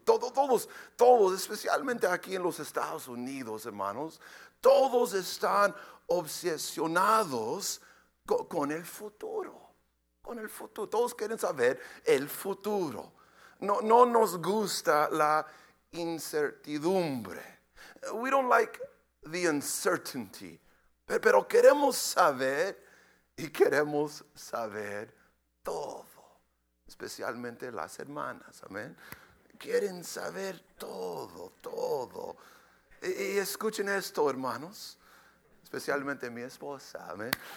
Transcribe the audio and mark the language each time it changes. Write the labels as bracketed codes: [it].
[es] Todos, especialmente aquí en los Estados Unidos, hermanos, todos están obsesionados con el futuro. con el futuro. Todos quieren saber el futuro. No, no nos gusta la incertidumbre. [en] We don't like the uncertainty. [es] Pero queremos saber y queremos saber todo. Especialmente las hermanas, amén. Quieren saber todo, todo. Y escuchen esto, hermanos. Especialmente mi esposa, amén.